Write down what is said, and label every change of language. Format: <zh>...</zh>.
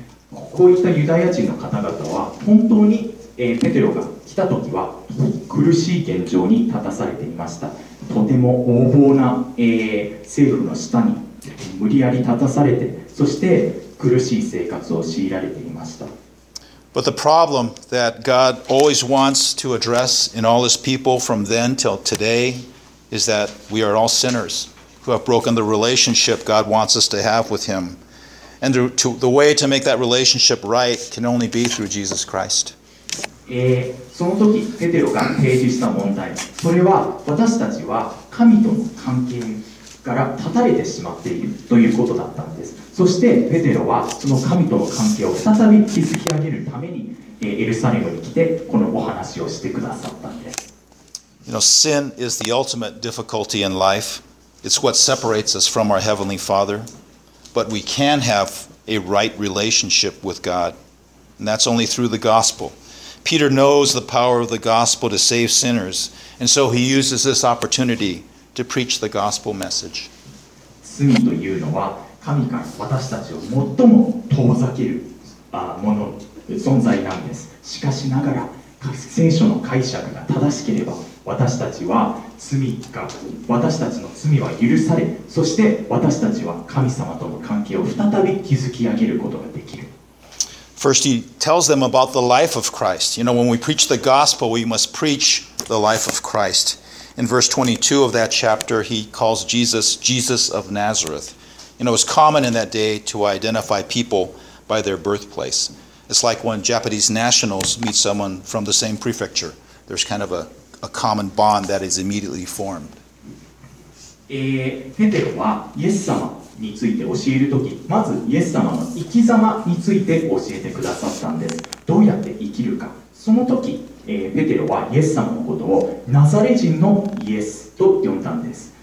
<ja>こういったユダヤ人の方々は本当に、ペテロが来た時は苦しい現状に立たされていました。とても横暴な、政府の下に無理やり立たされて、そして苦しい生活を強いられていました。</ja> <en>But the problem that God always wants to address in all his people from then till today is that we are all sinners who have broken the relationship God wants us to have with himAnd the way to make that relationship right can only be through Jesus Christ.</en> <ja>その時ペテロが提示した問題、それは私たちは神との関係から断たれてしまっているということだったんです。そしてペテロはその神との関係を再び築き上げるために、エルサレムに来てこのお話をしてくださったんです。</ja> <en>You know, sin is the ultimate difficulty in life. It's what separates us from our Heavenly Father. But we can have a right relationship with God. And that's only through the gospel. Peter knows the power of the gospel to save sinners. And so he uses this opportunity to preach the gospel message.</en> <ja>罪というのは神から私たちを最も遠ざけるもの、存在なんです。しかしながら、聖書の解釈が正しければ、私たちは罪が、私たちの罪は許され、そして私たちは神様との関係を再び築き上げることができる。</ja> <en>First, he tells them about the life of Christ. You know, when we preach the gospel, we must preach the life of Christ. In verse 22 of that chapter, he calls Jesus, Jesus of Nazareth. You know, it was common in that day to identify people by their birthplace. It's like when Japanese nationals meet someone from the same prefecture. There's kind of a common bond that is immediately formed.</en> <ja>ペテロはイエス様について教えるとき、まずイエス様の生き様について教えてくださったんです。どうやって生きるか。そのとき、ペテロはイエス様のことをナザレ人のイエスと呼んだんです。</ja>